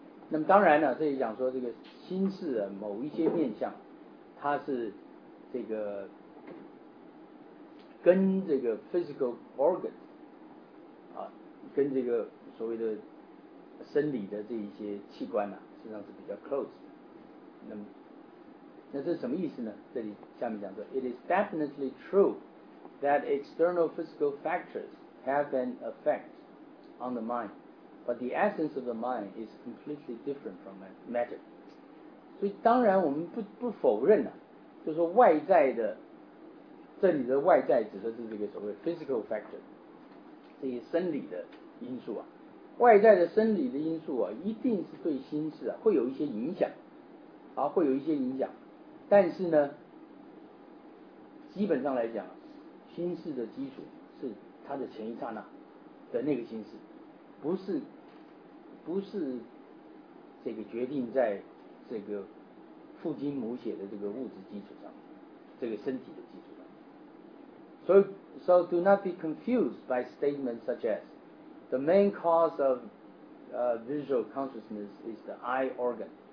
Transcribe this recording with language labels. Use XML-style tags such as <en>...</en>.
<zh>那么当然呢, 这里讲说这个心事, 某一些面向, 它是这个, 跟这个</zh> <en>physical organs,</en> <zh>啊, 跟这个所谓的生理的这一些器官啊, 实际上是比较</zh> <en>close</en> <zh>的。那这是什么意思呢? 这里下面讲说,</zh> <en>It is definitely true that external physical factors have an effect on the mind, but the essence of the mind is completely different from matter.</en> <zh>所以当然我们不否认啊, 就是说外在的, 这里的外在指的是这个所谓</zh> <en>physical factor,</en> <zh>这些生理的因素啊, 外在的生理的因素啊, 一定是对心事啊, 会有一些影响, 啊, 会有一些影响。但是呢, 基本上来讲, 心事的基础是他的前一刹那的那个心事, 不是这个决定在这个父精母血的这个物质基础上, 这个身体的基础上。</zh> <en>So do not be confused by statements such as, the main cause of visual consciousness is the eye organ.</en>